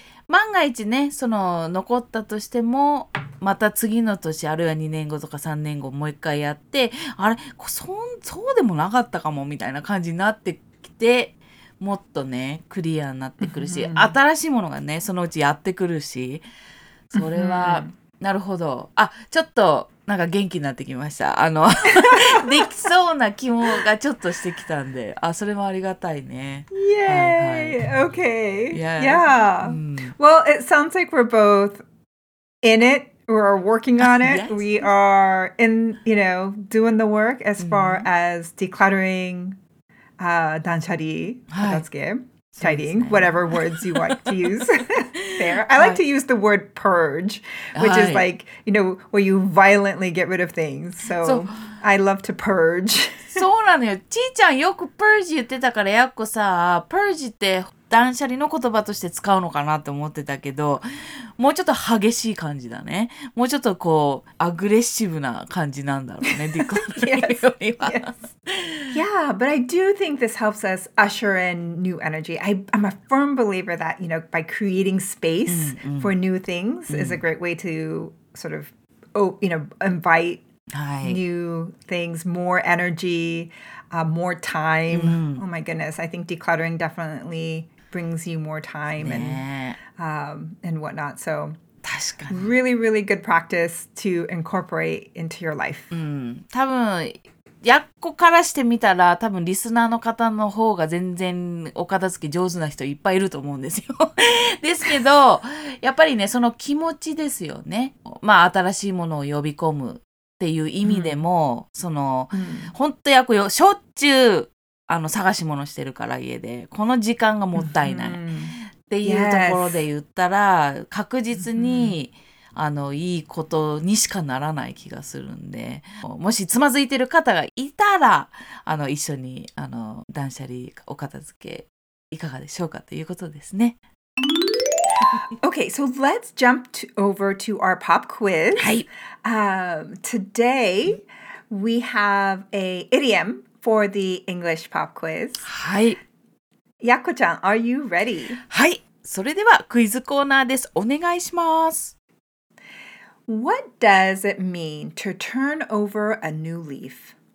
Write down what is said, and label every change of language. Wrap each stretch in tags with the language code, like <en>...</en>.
<ja>万が一ねその残ったとしてもまた次の年あるいは2年後とか3年後もう一回やってあれそうでもなかったかもみたいな感じになってきてもっとねクリアになってくるし新しいものがねそのうちやってくるしそれはなるほどあちょっとなんか元気になってきました。できそうな気もがちょっとしてきたんで、あ、それもありがたいね。</ja> <en>Yay! はい、はい、okay. Yeah. Yeah.、Mm. Well, it sounds like we're both in it. We're working on it. Yes. We are in, you know, doing the work as far as decluttering,</en> <ja>断捨離、片付け、</ja> <en>tidying,、ね、whatever words you want to use. There. I like to use the word purge, which is like, you know, where you violently get rid of things. So, I love to purge.</en> <ja>そうなのよ。ちーちゃんよくプージ言ってたから、やっこさ、プージって断捨離の言葉として使うのかなと思ってたけど、もうちょっと激しい感じだね。もうちょっとこう、アグレッシブな感じなんだろうね。</ja> <en>yes, yes. Yeah, but I do think this helps us usher in new energy. I'm a firm believer that, you know, by creating space for new things is a great way to sort of, you know, invite new things, more energy, more time. Oh my goodness, I think decluttering definitely... brings you more time and whatnot. So, really, really good practice to incorporate into your life.</en> <ja>多分やっこからしてみたら多分リスナーの方の方が全然お片付け上手な人いっぱいいると思うんですよ。ですけどやっぱりねその気持ちですよね。まあ新しいものを呼び込むっていう意味でも、その本当やっこよしょっちゅう探し物してるから家でこの時間がもったいないっていうところで言ったら確実にいいことにしかならない気がするんでもしつまずいてる方がいたら一緒に断捨離お片付けいかがでしょうかということですね。</ja> <en>Okay, so let's jump over to our pop quiz. Today, we have an idiom for the English pop quiz. Yakko-chan, are you ready?</en> <ja>それではクイズコーナーです。お願いします。</ja> <en>What does it mean to turn over a new leaf?</en>